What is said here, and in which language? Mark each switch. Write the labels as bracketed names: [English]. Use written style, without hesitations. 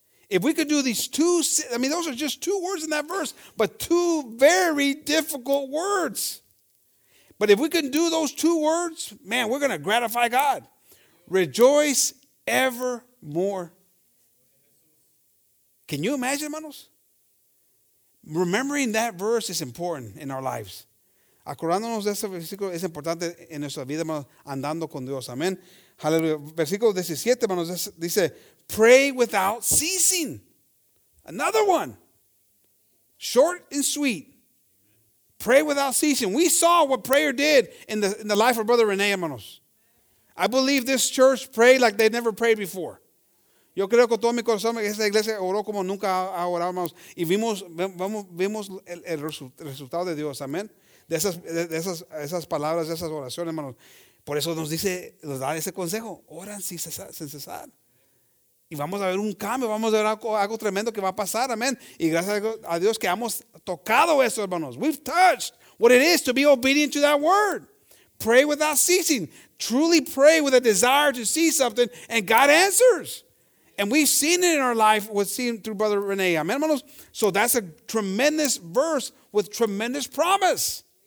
[English] If we could do these two, I mean, those are just two words in that verse, but two very difficult words. But if we can do those two words, man, we're going to gratify God. Rejoice evermore. Can you imagine, hermanos? Remembering that verse is important in our lives. [Spanish] Acordándonos de ese versículo es importante en nuestra vida, hermanos, andando con Dios. [English] Amén. Hallelujah. [Spanish] Versículo 17, hermanos, dice, [English] pray without ceasing. Another one. Short and sweet. Pray without ceasing. We saw what prayer did in the life of Brother Rene, hermanos. I believe this church prayed like they never prayed before. [Spanish] Yo creo con todo mi corazón que esta iglesia oró como nunca ha orado, hermanos. Y vimos el resultado de Dios, amén. De esas palabras, de esas oraciones, hermanos. Por eso nos da ese consejo. Oran sin cesar. Y vamos a ver un cambio, vamos a ver algo tremendo que va a pasar, amén. Y gracias a Dios que hemos tocado eso, hermanos. [English] We've touched what it is to be obedient to that word. Pray without ceasing. Truly pray with a desire to see something, and God answers. And we've seen it in our life, we've seen through Brother Rene, amén, hermanos. So that's a tremendous verse with tremendous promise.